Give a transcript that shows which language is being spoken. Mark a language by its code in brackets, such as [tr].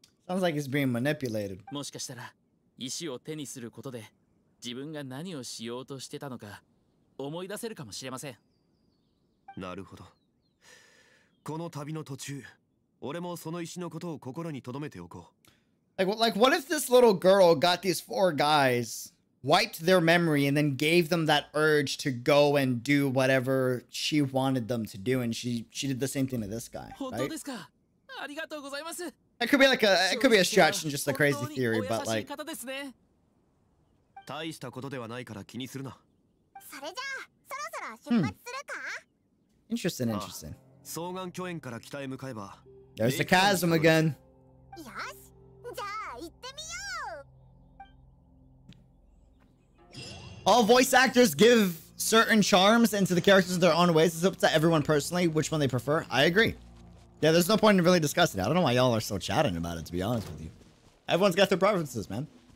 [en] Sounds like he's being manipulated. [ja] もしかしたら石を手にすることで自分が何をしようとしてたのか思い出せるかもしれません。なるほど。この旅の途中、俺もその石のことを心に留めておこう。 [en] Like, what if this little girl got these four guys, wiped their memory, and then gave them that urge to go and do whatever she wanted them to do, and she did the same thing to this guy, right? [ja] ありがとうございます。 [en] It could be like a, it could be a stretch and just a crazy theory, but like. [ja] 本当にお優しい方ですね。大したことではないから気にするな。それじゃあ、そろそろ出発するか。 [en] Interesting, interesting. [ja] 双眼巨炎から北へ向かえば。 [en] There's the chasm again. [ja] よし、じゃあ行ってみよう。 [en] All voice actors give certain charms into the characters in their own ways. It's up to everyone personally which one they prefer. I agree. Yeah, there's no point in really discussing it. I don't know why y'all are still chatting about it, to be honest with you. Everyone's got their preferences, man.